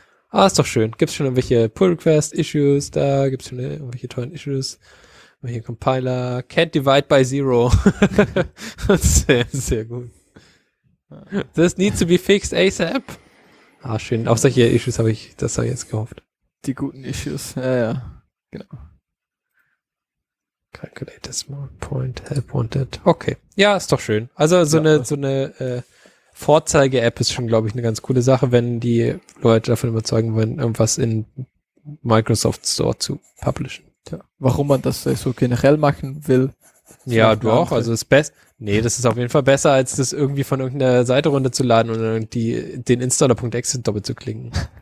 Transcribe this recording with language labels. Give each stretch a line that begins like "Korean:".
German: Ah, ist doch schön. Gibt's schon irgendwelche Pull-Request-Issues da? Gibt's schon irgendwelche tollen Issues? Welche Compiler?
English: Can't divide by zero.
German: Sehr, sehr gut.
English: This needs to be fixed ASAP.
German: Ah, schön. Auf solche Issues habe ich, das habe ich jetzt gehofft. Die guten Issues, ja, ja. Genau.
English: Calculate the smart point, help wanted.
German: Okay. Ja, ist doch schön. Also so ja. Vorzeige-App ist schon, glaube ich, eine ganz coole Sache, wenn die Leute davon überzeugen wollen, irgendwas in Microsoft Store zu publishen. Tja, warum man das so generell machen will. Ja, doch. Also ist besser. Nee, das ist auf jeden Fall besser, als das irgendwie von irgendeiner Seite runterzuladen und irgendwie den Installer.exe doppelt zu klicken.